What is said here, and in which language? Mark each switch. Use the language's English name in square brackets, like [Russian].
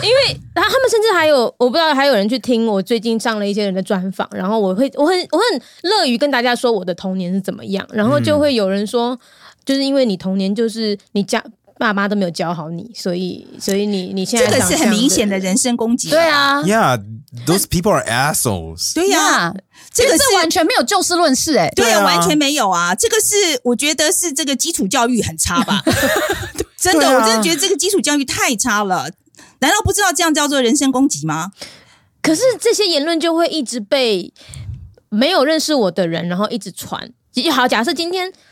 [Chinese] 因为他们甚至还有，我不知道还有人去听我最近上了一些人的专访，然后我很乐于跟大家说我的童年是怎么样，然后就会有人说。就是因为你童年就是你家爸妈都没有教好你，所以你现在这个是很明显的人身攻击。对啊 [English] ，Yeah, those people are assholes. [Chinese] 对呀、啊， yeah, 这个是完全没有就事论事哎、欸。对啊，完全没有啊。这个是我觉得是这个基础教育很差吧？真的、啊，我真的觉得这个基础教育太差了。难道不知道这样叫做人身攻击吗？可是这些言论就会一直被没有认识我的人，然后一直传。好，假设今天。